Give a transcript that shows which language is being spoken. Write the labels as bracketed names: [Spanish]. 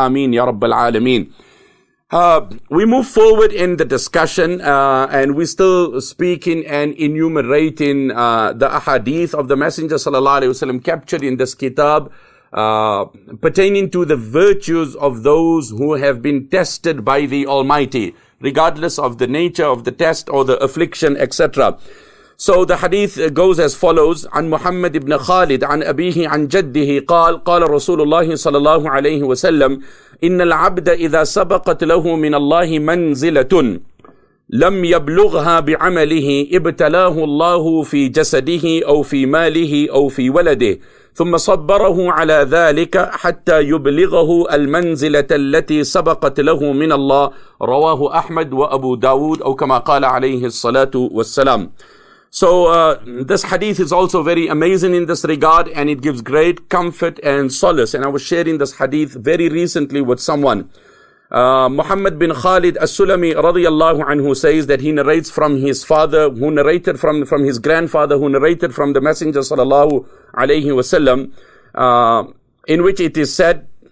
[English] Ameen, Ya Rabbal Alameen. We move forward in the discussion, and we're still speaking and enumerating, the ahadith of the Messenger sallallahu alayhi wa sallam captured in this kitab, pertaining to the virtues of those who have been tested by the Almighty, regardless of the nature of the test or the affliction, etc. So the hadith goes as follows, [Arabic] عن محمد بن خالد عن أبيه عن جده قال قال رسول الله صلى الله عليه وسلم إن العبد إذا سبقت له من الله منزلة لم يبلغها بعمله ابتلاه الله في جسده أو في ماله أو في ولده ثم صبره على ذلك حتى يبلغه المنزلة التي سبقت له من الله رواه أحمد وأبو داود أو كما قال عليه الصلاة والسلام [English] So this hadith is also very amazing in this regard and it gives great comfort and solace. And I was sharing this hadith very recently with someone. Muhammad bin Khalid As-Sulami radiyallahu anhu says that he narrates from his father who narrated from his grandfather who narrated from the Messenger sallallahu alayhi wa sallam in which it is said